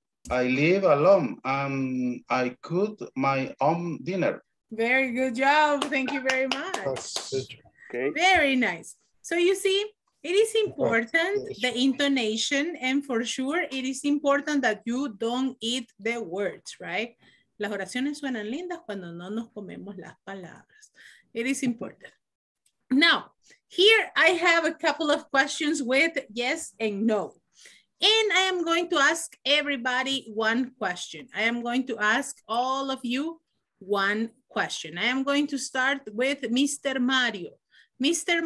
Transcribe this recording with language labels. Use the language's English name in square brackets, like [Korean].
[English] I live alone and I cook my own dinner. Very good job. Thank you very much. Okay. Very nice. So you see, it is important, the intonation, and for sure, it is important that you don't eat the words, right? [Spanish] Las oraciones suenan lindas cuando no nos comemos las palabras. [English] It is important. Now, here I have a couple of questions with yes and no. And I am going to ask everybody one question. I am going to ask all of you one question. I am going to start with Mr. Mario. Mr.